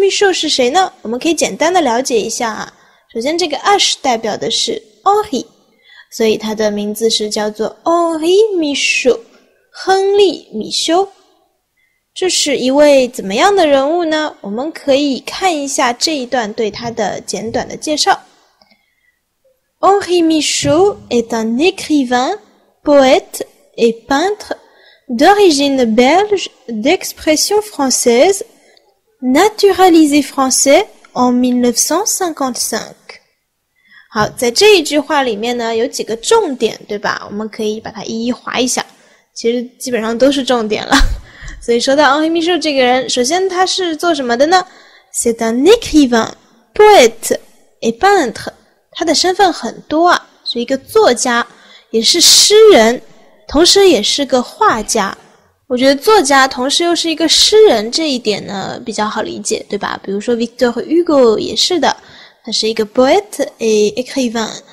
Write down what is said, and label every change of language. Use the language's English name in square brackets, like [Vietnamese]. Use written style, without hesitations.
[Chinese] Michaud 是谁呢？我们可以简单的了解一下啊。首先这个 H 代表的是 Henri， 所以他的名字是叫做 Henri Michaud，亨利·米修。这是一位怎么样的人物呢？我们可以看一下这一段对他的简短的介绍。 [French] Henri Michaud est un écrivain, poète et peintre d'origine belge d'expression française, naturalisé français en 1955. [Chinese] 好，在这一句话里面呢，有几个重点，对吧？我们可以把它一一划一下。其实基本上都是重点了。所以说到 Henri Michaud 这个人，首先他是做什么的呢？ [French] C'est un écrivain, poète et peintre。 [Chinese] 他的身份很多啊，是一个作家，也是诗人，同时也是个画家。我觉得作家同时又是一个诗人，这一点呢比较好理解，对吧？比如说 Victor Hugo 也是的，他是一个 [French] poète et écrivain。